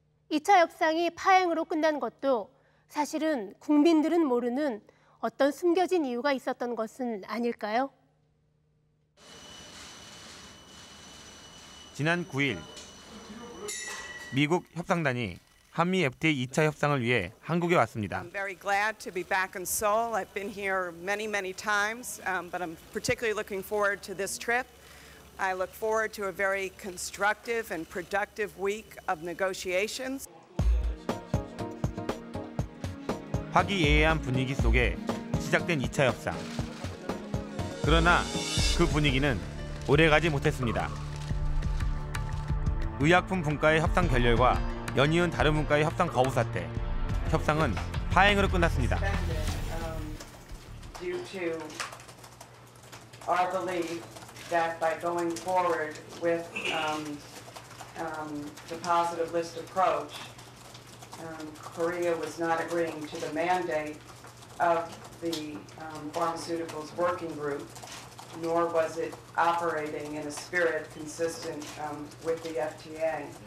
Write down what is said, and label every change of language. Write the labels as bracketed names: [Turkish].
[Korean] 2차 협상이 파행으로 끝난 것도 사실은 국민들은 모르는 어떤 숨겨진 이유가 있었던 것은 아닐까요? 지난 9일 미국 협상단이 한미 FTA 2차 협상을 위해 한국에 왔습니다. [English] I'm very glad to be back in Seoul. I've been here many, many times, but I'm particularly looking forward to this trip. I look forward to a very constructive and productive week of negotiations. [Korean] 화기애애한 분위기 속에 시작된 2차 협상. 그러나 그 분위기는 오래가지 못했습니다. 의약품 분가의 협상 결렬과 연이은 다른 분가의 협상 거부 사태. 협상은 파행으로 끝났습니다. [English] Due to our belief that by going forward with the positive list approach, Korea was not agreeing to the mandate of the pharmaceuticals working group, nor was it operating in a spirit consistent with the FTA.